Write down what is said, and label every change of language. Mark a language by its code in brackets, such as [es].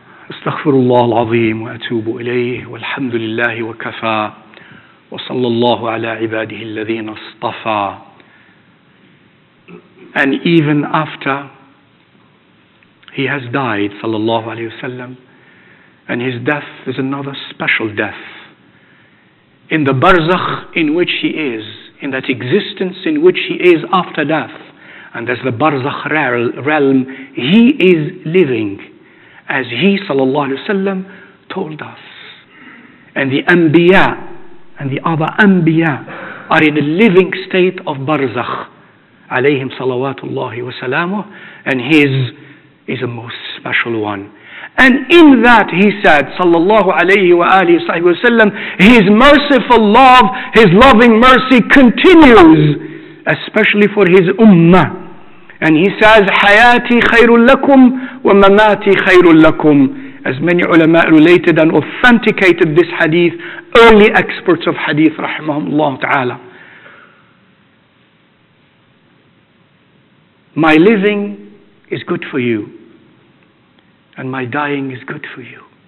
[ar] أستغفر الله العظيم وأتوب إليه والحمد لله وكفى وصلى الله على عباده الذين اصطفى. [en] And even after he has died, [ar] صلى الله عليه وسلم, [en] and his death is another special death in the barzakh in which he is, in that existence in which he is after death. And as the barzakh realm, he is living, as he, sallallahu alayhi wa sallam, told us. And the anbiya and the other anbiya are in a living state of barzakh, alayhim salawatullahi wa salamuh, and his is a most special one. And in that, he said, sallallahu alayhi wa alihi wa sallam, his merciful love, his loving mercy continues, especially for his ummah. And he says, [ar] حياتي خير لكم ومماتي خير لكم. [en] As many ulama related and authenticated this hadith, early experts of hadith, [ar] رحمهم الله تعالى. [en] My living is good for you, and my dying is good for you.